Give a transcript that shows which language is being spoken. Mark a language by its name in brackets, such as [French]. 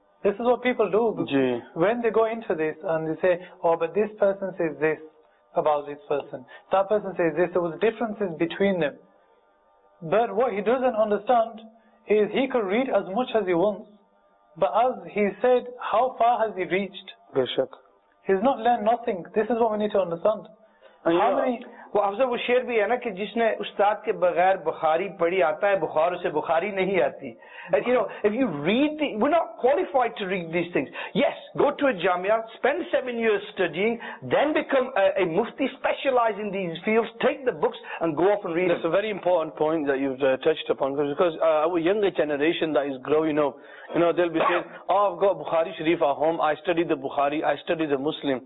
[English] This is what people do. When they go into this and they say, oh, but this person says this about this person, that person says this, there was differences between them. But what he doesn't understand is he could read as much as he wants, but as he said, how far has he reached? [Urdu] Bishak. [English] He's not learned nothing. This is what we need to understand. [Urdu] افزا وہ شعر بھی ہے نا کہ جس نے استاد کے بغیر بخاری پڑھی آتا ہے، بخاری سے بخاری نہیں آتی۔ [English] And you know, if you read the, we're not qualified to read these things. Yes, go to a jamia, spend 7 years studying, then become a mufti, specialize in these fields, take the books and go off and read. That's a very important point that you've touched upon, because our younger generation that is growing up, you know, they'll be saying, oh, I've got Bukhari Sharif at home, I study the Bukhari, I study the Muslim.